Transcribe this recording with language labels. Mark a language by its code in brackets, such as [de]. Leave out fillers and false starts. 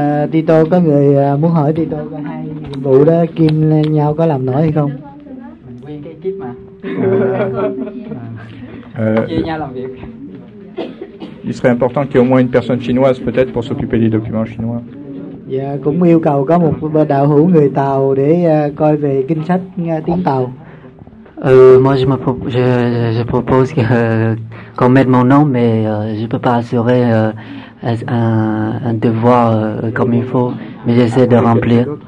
[vi] Tito có người muốn hỏi Tito có hai nhiệm vụ đó, Kim Nhau có làm nổi hay không? [fr] Il serait important qu'il y ait au moins une personne chinoise peut-être pour s'occuper des documents chinois. [vi] Dạ, cũng yêu cầu có một đạo hữu người Tàu để coi về kinh sách tiếng Tàu. [fr] Moi je propose qu'on mette mon nom, mais je peux pas assurer un devoir comme il faut, mais j'essaie de remplir.